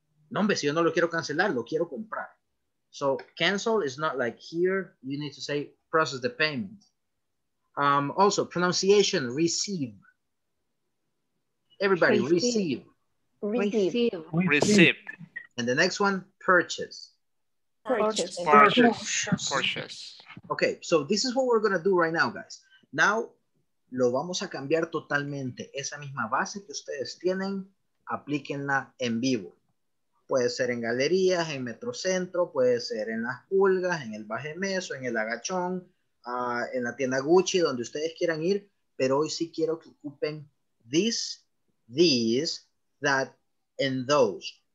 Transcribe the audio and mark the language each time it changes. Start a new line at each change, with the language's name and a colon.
Spanish: No, hombre, si yo no lo quiero cancelar, lo quiero comprar.
English: So cancel is not like here, you need to say process the payment. Also, pronunciation, receive. Everybody, receive. Receive. And the next one, purchase. Purchase. Okay, so this is what we're going to do right now, guys.
Spanish: Now, lo vamos a cambiar totalmente. Esa misma base que ustedes tienen, aplíquenla en vivo. Puede ser en galerías, en Metrocentro, puede ser en Las Pulgas, en el Baje Meso, en el Agachón, en la tienda Gucci, donde ustedes quieran ir. Pero hoy sí quiero que ocupen
English: this, these, that, and those.